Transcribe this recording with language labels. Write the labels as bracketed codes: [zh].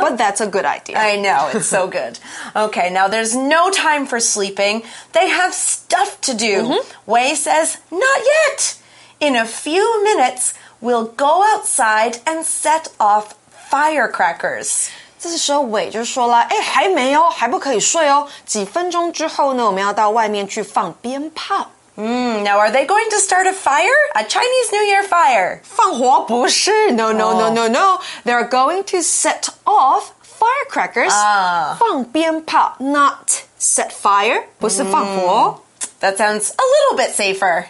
[en] But that's a good idea. I know, it's so good. Okay, now there's no time for sleeping. They have stuff to do. Mm-hmm. Wei says, not yet. In a few minutes, we'll go outside and set offfirecrackers. [zh] 这时候伟就说了哎，还没哦，还不可以睡哦。几分钟之后呢，我们要到外面去放鞭炮。 [en] Now are they going to start a fire? A Chinese New Year fire? [zh] 放火不是。 [en] No. They're going to set off firecrackers. [zh] 放鞭炮 [en] not set fire. [zh] 不是放火。 [en] That sounds a little bit safer.